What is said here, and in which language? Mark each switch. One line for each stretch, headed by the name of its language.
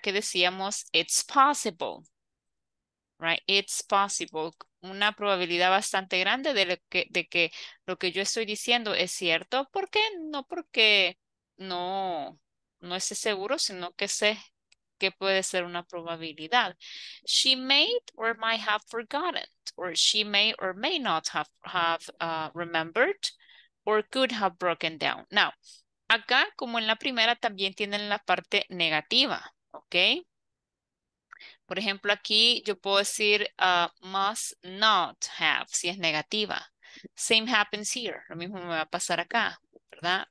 Spanish: Que decíamos,
English: it's possible, right? It's possible,
Spanish: una probabilidad bastante grande de que lo que yo estoy diciendo es cierto. ¿Por qué? No porque no esté seguro, sino que sé que puede ser una probabilidad.
English: She may or might have forgotten, or she may or may not have remembered, or could have broken down. Now,
Spanish: acá, como en la primera, también tienen la parte negativa, ¿ok? Por ejemplo, aquí yo puedo decir
English: must not have,
Spanish: si es negativa.
English: Same happens here.
Spanish: Lo mismo me va a pasar acá, ¿verdad?